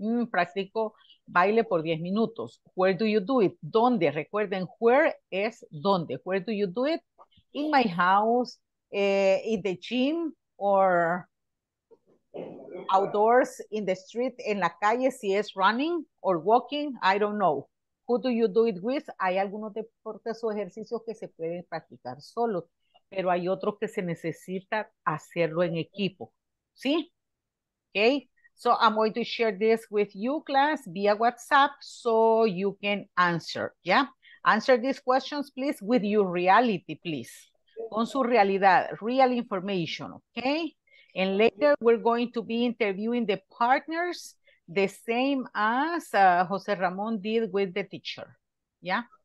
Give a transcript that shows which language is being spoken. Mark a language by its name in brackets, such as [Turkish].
[Spanish] Practico baile por 10 minutos. [English] Where do you do it? [Spanish] ¿Dónde? Recuerden, where es dónde. [English] Where do you do it? In my house, in the gym, or outdoors, in the street, [Spanish] en la calle, [English] si es running or walking, I don't know. Who do you do it with? [Spanish] Hay algunos deportes o ejercicios que se pueden practicar solo, pero hay otros que se necesita hacerlo en equipo. ¿Sí? [English] Okay, so I'm going to share this with you, class, via WhatsApp, so you can answer, yeah? Answer these questions, please, with your reality, please. [Spanish] Con su realidad, [English] real information, okay? And later, we're going to be interviewing the partners, the same as Jose Ramon did with the teacher, yeah?